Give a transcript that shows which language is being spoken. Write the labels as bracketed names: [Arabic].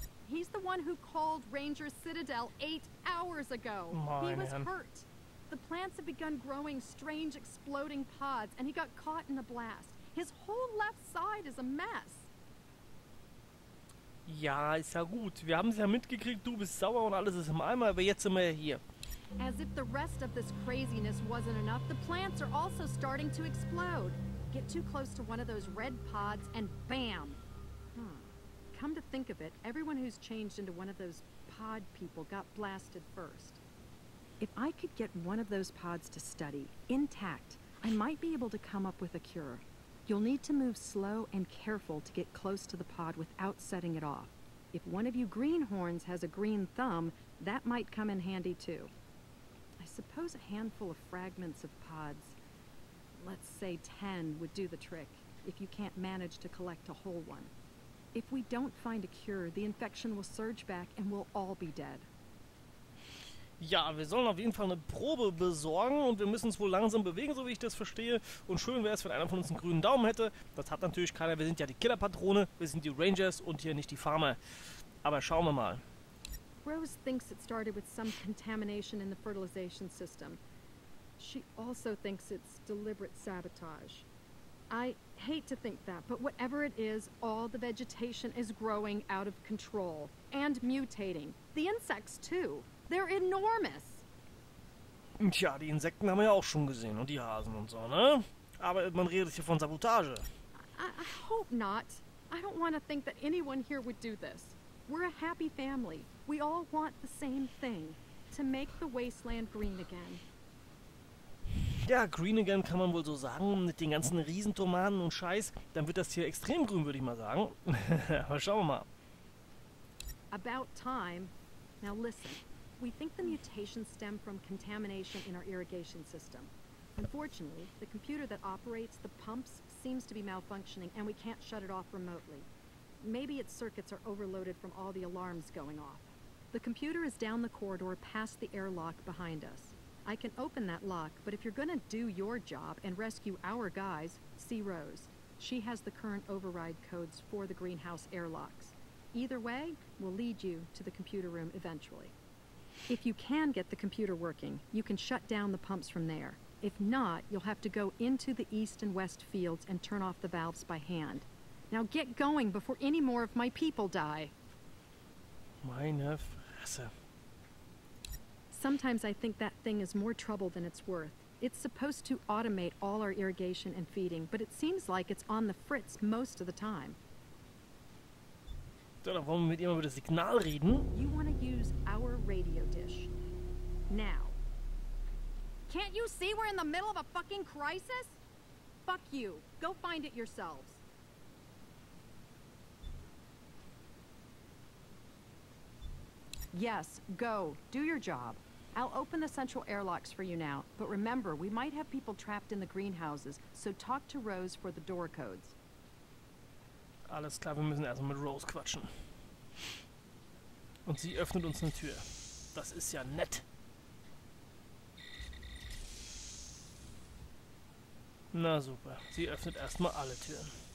[English] He's the one who called Ranger Citadel 8 hours ago. [German] Mein [English] He was hurt. The plants have begun growing strange exploding pods, and he got caught in the blast. His whole left side is a mess. [German] Ja, ist ja gut. Wir haben es ja mitgekriegt, du bist sauer und alles ist im Eimer, aber jetzt sind wir ja hier. [English] As if the rest of this craziness wasn't enough, the plants are also starting to explode. Get too close to one of those red pods and bam! Come to think of it, everyone who's changed into one of those pod people got blasted first. If I could get one of those pods to study, intact, I might be able to come up with a cure. You'll need to move slow and careful to get close to the pod without setting it off. If one of you greenhorns has a green thumb, that might come in handy too. I suppose a handful of fragments of pods, let's say 10, would do the trick if you can't manage to collect a whole one. If we don't find a cure, the infection will surge back and we'll all be dead. [German] Ja, wir sollen auf jeden Fall eine Probe besorgen und wir müssen uns wohl langsam bewegen, so wie ich das verstehe. Und schön wäre es, wenn einer von uns einen grünen Daumen hätte. Das hat natürlich keiner. Wir sind ja die Killerpatrone, wir sind die Rangers und hier nicht die Farmer. Aber schauen wir mal. [English] Rose thinks it started with some contamination in the fertilization system. She also thinks it's deliberate sabotage. I hate to think that, but whatever it is, all the vegetation is growing out of control and mutating. The insects too. They're enormous. [German] Tja, die Insekten haben wir ja auch schon gesehen und die Hasen und so, ne? Aber man redet hier von Sabotage. [English] I hope not. I don't want to think that anyone here would do this. We're a happy family. We all want the same thing, to make the wasteland green again. [German] Ja, [English] green again [German] kann man wohl so sagen, mit den ganzen Riesentomaten und Scheiß, dann wird das hier extrem grün, würde ich mal sagen. Aber schauen wir mal. [English] About time. Now listen. We think the mutations stem from contamination in our irrigation system. Unfortunately, the computer that operates the pumps seems to be malfunctioning and we can't shut it off remotely. Maybe its circuits are overloaded from all the alarms going off. The computer is down the corridor past the airlock behind us. I can open that lock, but if you're gonna do your job and rescue our guys, see Rose. She has the current override codes for the greenhouse airlocks. Either way, we'll lead you to the computer room eventually. If you can get the computer working, you can shut down the pumps from there. If not, you'll have to go into the east and west fields and turn off the valves by hand. Now get going before any more of my people die. [German] Meine Fresse. [English] Sometimes I think that thing is more trouble than it's worth. It's supposed to automate all our irrigation and feeding, but it seems like it's on the fritz most of the time. [German] Ja, dann wollen wir mit ihr mal über das Signal reden. [English] You want to use our radio dish. Now. Can't you see we're in the middle of a fucking crisis? Fuck you. Go find it yourselves. Yes, go. Do your job. I'll open the central airlocks for you now. But remember, we might have people trapped in the greenhouses, so talk to Rose for the door codes. [German] Alles klar, wir müssen erstmal mit Rose quatschen. Und sie öffnet uns eine Tür. Das ist ja nett. Na super, sie öffnet erstmal alle Türen.